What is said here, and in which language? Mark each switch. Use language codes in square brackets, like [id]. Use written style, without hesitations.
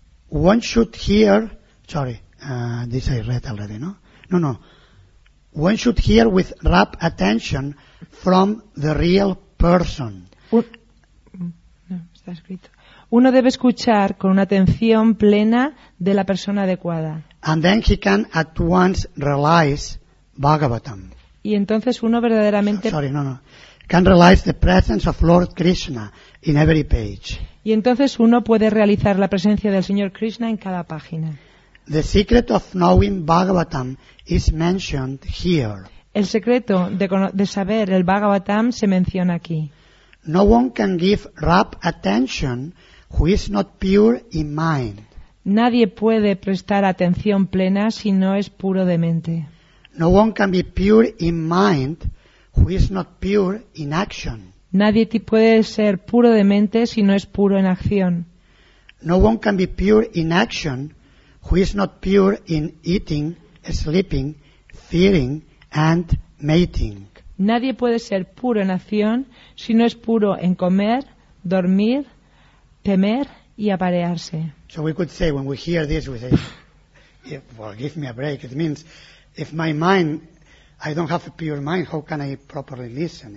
[en] One should hear, this I read already, no? No. One should hear with rapt attention from the real person. [es] Está escrito. Uno debe escuchar con una atención plena de la persona adecuada. [en] And then he can at once realize Bhagavatam. [es] Y entonces uno verdaderamente [en] can realize the presence of Lord Krishna in every page. [es] Y entonces uno puede realizar la presencia del Señor Krishna en cada página. [en] The secret of knowing Bhagavatam is mentioned here. [es] El secreto de saber el Bhagavatam se menciona aquí. [en] No one can give rapt attention who is not pure in mind. [es] Nadie puede prestar atención plena si no es puro de mente. [en] No one can be pure in mind who is not pure in action. [es] Nadie puede ser puro de mente si no es puro en acción. [en] No one can be pure in action who is not pure in eating, sleeping, feeding, and mating. [es] Nadie puede ser puro en acción si no es puro en comer, dormir, temer y aparearse. [en] So we could say when we hear this, we say, well, give me a break. It means if my mind, I don't have a pure mind, how can I properly listen?